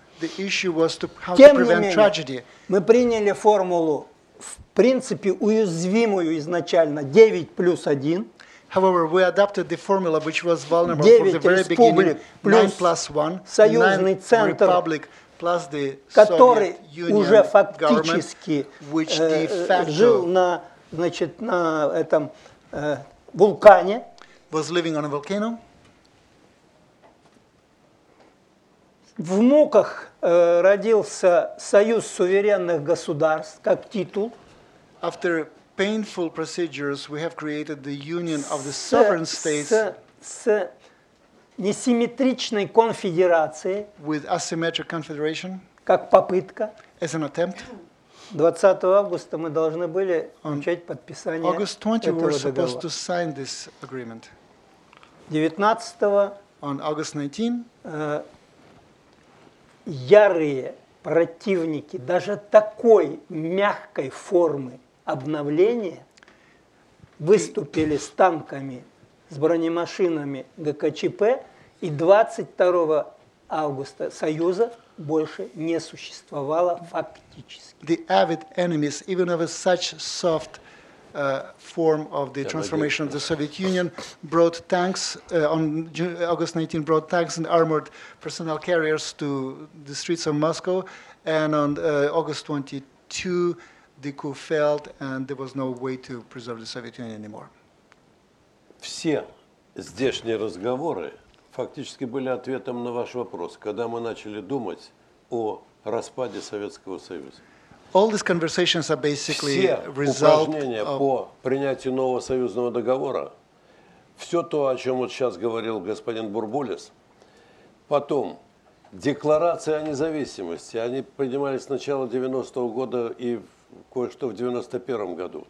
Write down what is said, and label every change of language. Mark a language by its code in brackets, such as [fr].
[en] The issue was to how [ru] Тем [en] to prevent [ru] менее, [en] tragedy. [ru] Мы приняли формулу, в принципе, уязвимую изначально, 9 плюс 1. [en] However, we adopted the formula which was vulnerable from the very beginning, 9+1, 9 republic, plus the Soviet Union government, which de facto was living on a volcano. [ru] В муках родился Союз суверенных государств как титул. [en] After painful procedures, we have created the Union of the Sovereign States. [ru] С несимметричной конфедерацией. [en] With asymmetric confederation. [ru] Как попытка. [en] As an attempt. [ru] 20 августа мы должны были начать подписание этого договора. [en] August 20, we're supposed to sign this agreement. [ru] 19. [en] On August 19. [ru] Ярые противники даже такой мягкой формы обновления выступили с танками, с бронемашинами ГКЧП, и 22 августа Союза больше не существовало фактически. [en] The avid enemies, even of a such soft form of the transformation of the Soviet Union, brought tanks on August 19, brought tanks and armored personnel carriers to the streets of Moscow, and on August 22, the coup failed, and there was no way to preserve the Soviet Union anymore. [ru] Все здешние разговоры фактически были ответом на ваш вопрос, когда мы начали думать о распаде Советского Союза. [en] All these conversations are basically a result [ru] по принятию нового союзного договора. Все то, о чем вот сейчас говорил господин Бурбулис, потом декларация о независимости, они принимались с начала 90-го года и кое-что в 91-м году.